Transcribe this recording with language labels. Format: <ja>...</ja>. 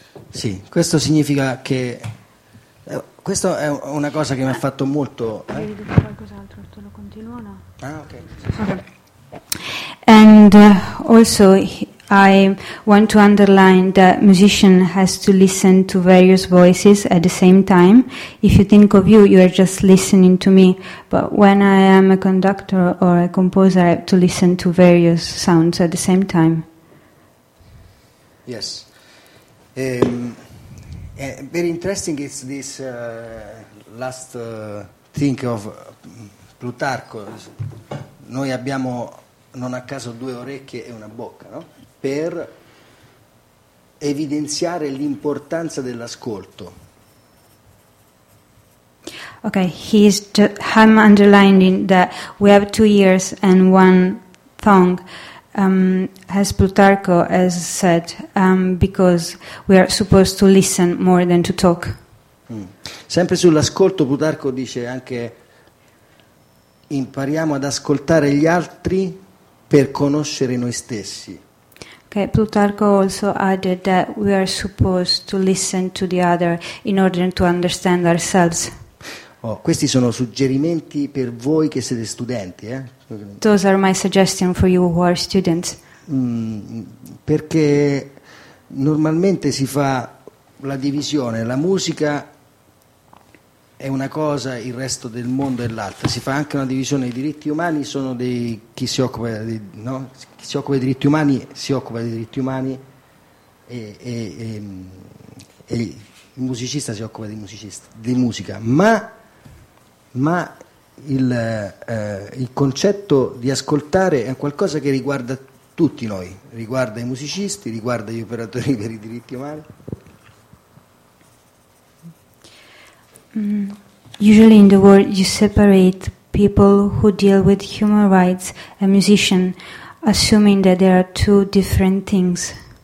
<it>Sì, questo significa che questo è una cosa che mi ha fatto molto.</it> <en>And also I want to underline that musician has to listen to various voices at the same time. If you think of you are just listening to me, but when I am a conductor or a composer, I have to listen to various sounds at the same time. Yes. Very interesting is this last thing of Plutarco.</en> <it>Noi abbiamo non a caso due orecchie e una bocca, no? Per evidenziare l'importanza dell'ascolto.</it> <en>Okay, I'm underlining that we have two ears and one tongue, as Plutarco has said, because we are supposed to listen more than to talk.</en> <it>Sempre sull'ascolto, Plutarco dice anche impariamo ad ascoltare gli altri per conoscere noi stessi.</it> <en>Okay, Plutarco also added that we are supposed to listen to the other in order to understand ourselves.</en> <it>Oh, questi sono suggerimenti per voi che siete studenti, eh?</it> <en>Those are my suggestions for you who are students.</en> <it>Perché normalmente si fa la divisione, la musica è una cosa, il resto del mondo è l'altra. Si fa anche una divisione, i diritti umani sono dei chi si occupa di, no? Chi si occupa di diritti umani si occupa di diritti umani e il musicista si occupa di musicista, di musica, ma il concetto di ascoltare è qualcosa che riguarda tutti noi, riguarda i musicisti, riguarda gli operatori per i diritti umani.</it> <en>Usually in the world you separate people who deal with human rights and musician, assuming that there are two different things.</en>